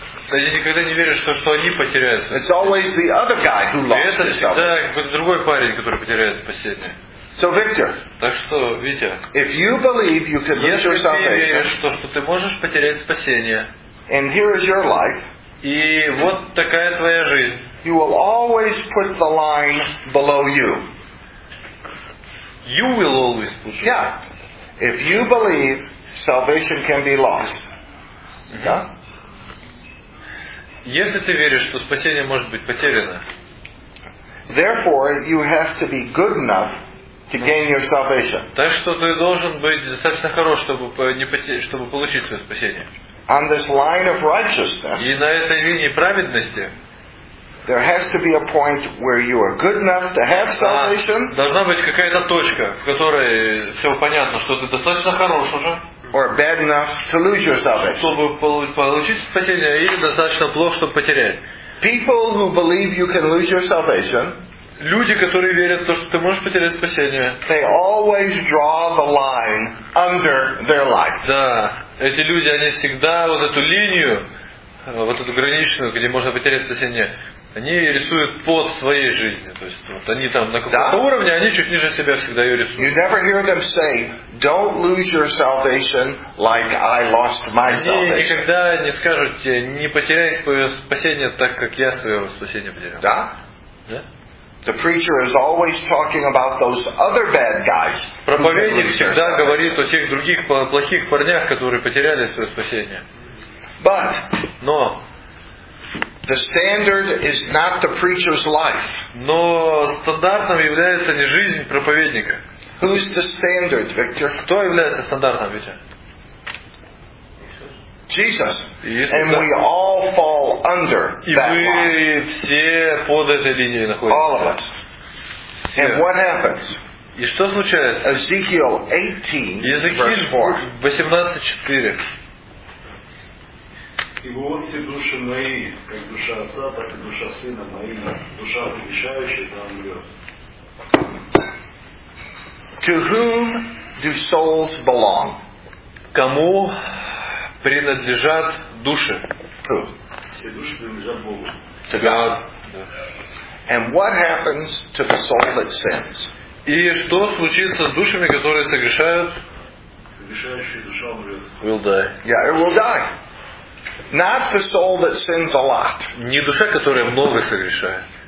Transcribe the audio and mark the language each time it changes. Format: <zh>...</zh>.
<ru>Они никогда не верят, что они потеряют.</ru> <en>It's always the other guy who lost his salvation.</en> <ru>Это всегда другой парень, который потеряет спасение.</ru> <en>So Victor,</en> <ru>так что, Витя,</ru> <en>if you believe you can lose your salvation,</en> <ru>если ты веришь, что ты можешь потерять спасение,</ru> <en>and here is your life,</en> <ru>и вот такая твоя жизнь.</ru> <en>You will always put the line below you. You will always put. Yeah. If you believe salvation can be lost. Yeah.</en> <ru>Если ты веришь, что спасение может быть потеряно.</ru> <en>Therefore, you have to be good enough to gain your salvation.</en> <ru>Так что ты должен быть достаточно хорош, чтобы получить свое спасение.</ru> <en>On this line of righteousness.</en> <ru>И на этой линии праведности.</ru> <en>There has to be a point where you are good enough to have salvation.</en> <ru>Должна быть какая-то точка, в которой все понятно, что ты достаточно хорош уже.</ru> <en>Or bad enough to lose your salvation.</en> <ru>Чтобы получить спасение, или достаточно плохо, чтобы потерять.</ru> <en>People who believe you can lose your salvation.</en> <ru>Люди, которые верят в то, что ты можешь потерять спасение.</ru> <en>They always draw the line under their life.</en> <ru>Да, эти люди, они всегда вот эту линию, вот эту граничную, где можно потерять спасение. Они рисуют под своей жизнью. То есть вот они там на каком-то уровне, они чуть ниже себя всегда ее рисуют.</ru> <en>You never hear them say, "Don't lose your salvation like I lost my salvation."</en> <ru>Они никогда не скажут тебе, не потеряй свое спасение так, как я свое спасение потерял. Да? Да?</ru> <en>The preacher is always talking about those other bad guys.</en> <ru>Проповедник всегда говорит о тех других плохих парнях, которые потеряли свое спасение.</ru> <en>But.</en> <ru>Но.</ru> <en>The standard is not the preacher's life.</en> <ru>Но стандартом является не жизнь проповедника.</ru> <en>Who is the standard, Victor?</en> <ru>Кто является стандартом, Витя?</ru> <en>Jesus. And we all fall under that line.</en> <ru>И мы все под этой линией находимся.</ru> <en>All of us. And what happens?</en> <ru>И что случается?</ru> <en>Ezekiel 18:4.</en> <ru>И вот все души мои, как душа отца, так и душа сына мои, душа согрешающая, та умрет.</ru> <en>To whom do souls belong?</en> <ru>Кому принадлежат души?</ru> <en>Who?</en> <ru>Все души принадлежат Богу.</ru> <en>To God. And what happens to the soul that sins?</en> <ru>И что случится с душами, которые согрешают? Согрешающая душа умрет.</ru> <en>Will die. Yeah, it will die. Not the soul that sins a lot.</en> <ru>Не душа, которая много согрешает.</ru>